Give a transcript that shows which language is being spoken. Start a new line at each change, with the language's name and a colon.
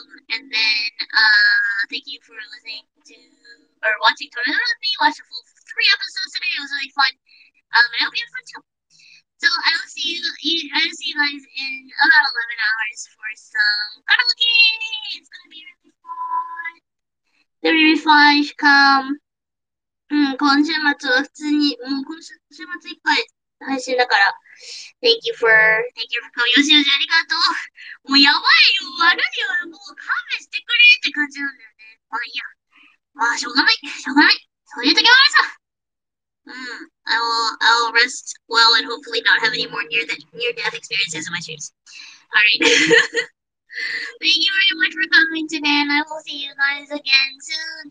English: And then, thank you for listening to, or watching Toronto with me. Watch a full 3 episodes today. It was really fun. And I hope you have fun too. So I will see you. I will see you guys in about 11 hours for some karaoke. It's gonna be really fun. They're really fun. You should come.
Japanese: この週末は普通にもう今週末いっぱい配信だから。
English: Thank you for coming.
Japanese: よしよし、ありがとう。もうやばいよ、悪いよ。もう勘弁してくれって感じなんだよね。まあいいや。まあしょうがない、しょうがない。そういう時もあるさ。
English: I will rest well and hopefully not have any more near death experiences in my shoes. Alright. Thank you very much for coming today, and I will see you guys again soon.